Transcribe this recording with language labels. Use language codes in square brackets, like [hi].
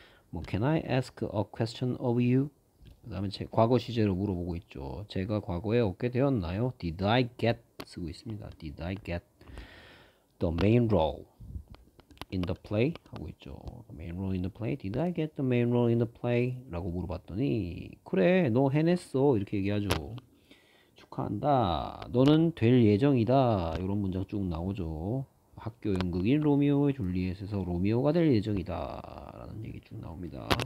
[en] 뭐 can I ask a question of you? [ko] 그 다음에 제 과거 시제로 물어보고 있죠. 제가 과거에 얻게 되었나요? [en] did I get [ko] 쓰고 있습니다. [en] did I get the main role in the play [ko] 하고 있죠. [en] the main role in the play? did I get the main role in the play? [ko] 라고 물어봤더니 그래 너 해냈어 이렇게 얘기하죠. 축하한다 너는 될 예정이다 이런 문장 쭉 나오죠. 학교 연극인 로미오의 줄리엣에서 로미오가 될 예정이다 라는 얘기 쭉 나옵니다.